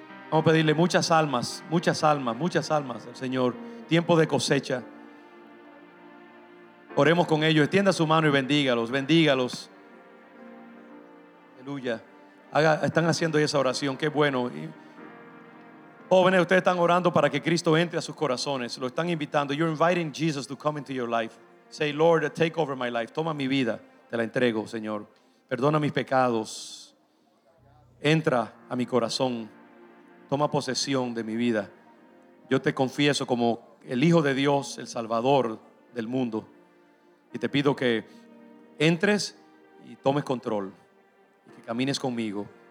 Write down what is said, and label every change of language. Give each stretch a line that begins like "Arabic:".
Spanish: Vamos a pedirle muchas almas al Señor. Tiempo de cosecha. Oremos con ellos. Extienda su mano y bendígalos. Aleluya. Están haciendo esa oración. Qué bueno. Y jóvenes, ustedes están orando para que Cristo entre a sus corazones. Lo están invitando.
English: You're inviting Jesus to come into your life. Say, Lord, take over my life.
Spanish: Toma mi vida. Te la entrego, Señor. Perdona mis pecados. Entra a mi corazón. Toma posesión de mi vida. Yo te confieso como el Hijo de Dios, el Salvador del mundo. Y te pido que entres y tomes control, y que camines conmigo.